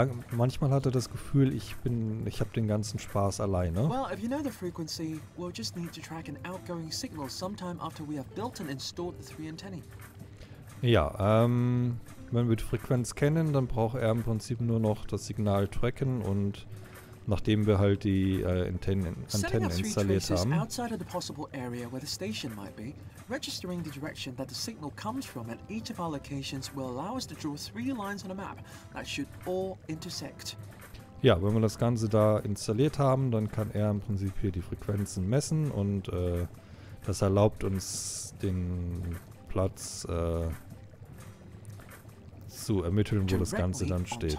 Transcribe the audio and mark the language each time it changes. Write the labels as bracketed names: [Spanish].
[German] Manchmal hat er das Gefühl, ich habe den ganzen Spaß alleine. [English] Well, if you know the frequency, we'll just need to track an outgoing signal sometime after we have built and installed the three antennae. [German] Ja, wenn wir die Frequenz kennen, dann braucht er im Prinzip nur noch das Signal tracken und nachdem wir halt die Antennen installiert haben. [English] Setting up three traces outside of the possible area where the station might be, registering the direction that the signal comes from at each of our locations will allow us to draw three lines on a map that should all intersect. [German] Ja, wenn wir das Ganze da installiert haben, dann kann er im Prinzip hier die Frequenzen messen und das erlaubt uns den Platz zu ermitteln, wo das Ganze dann steht.